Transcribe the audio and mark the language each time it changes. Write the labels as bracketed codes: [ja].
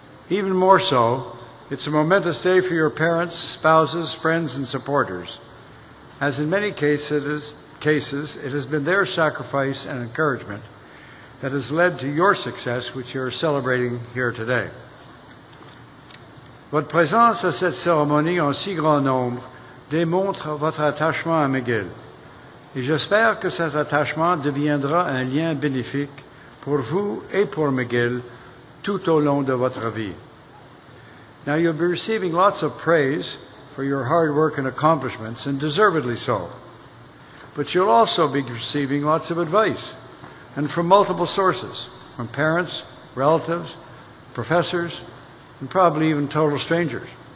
[en] Even more so, it's a momentous day for your parents, spouses, friends, and supporters, as in many cases, it has been their sacrifice and encouragement that has led to your success, which you are celebrating here today. [fr] Votre présence à cette cérémonie en si grand nombre démontre votre attachement à McGill, et j'espère que cet attachement deviendra un lien bénéfique pour vous et pour McGill tout au long de votre vie. [en] Now, you'll be receiving lots of praise for your hard work and accomplishments, and deservedly so. But you'll also be receiving lots of advice, and from multiple sources, from parents, relatives, professors, and probably even total strangers.